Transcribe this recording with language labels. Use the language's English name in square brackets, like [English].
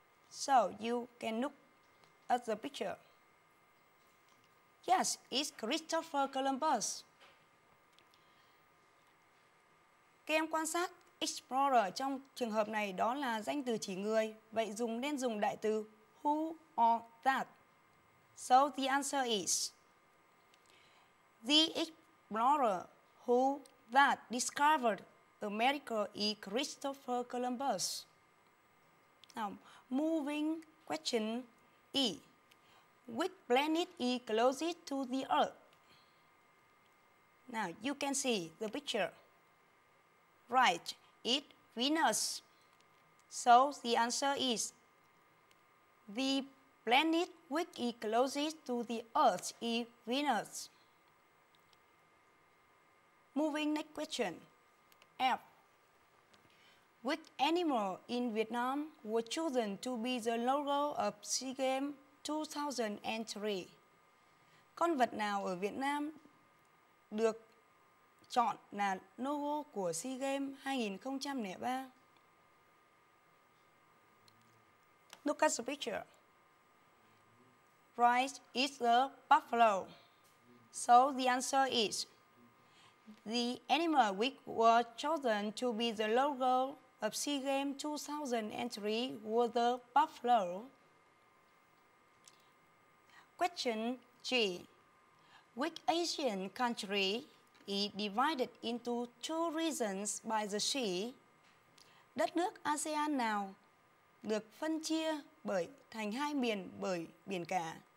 [English] So you can look at the picture. Yes, it's Christopher Columbus. [Vietnamese] Các em quan sát, explorer trong trường hợp này đó là danh từ chỉ người. Vậy dùng nên dùng đại từ [English] who or that? So the answer is the explorer who that discovered America is Christopher Columbus. Now, moving question E. Which planet is closest to the Earth? Now, you can see the picture. Right, it's Venus. So, the answer is the planet which is closest to the Earth is Venus. Moving next question. F. Which animal in Vietnam was chosen to be the logo of SEA Games 2003? [Vietnamese] Con vật nào ở Việt Nam được chọn là logo của SEA Games 2003? [English] Look at the picture. Right is the buffalo. So the answer is the animal which was chosen to be the logo of SEA Games 2003 was the buffalo. Question G. Which Asian country is divided into two regions by the sea? [Vietnamese] Đất nước ASEAN nào được phân chia bởi thành hai miền bởi biển cả?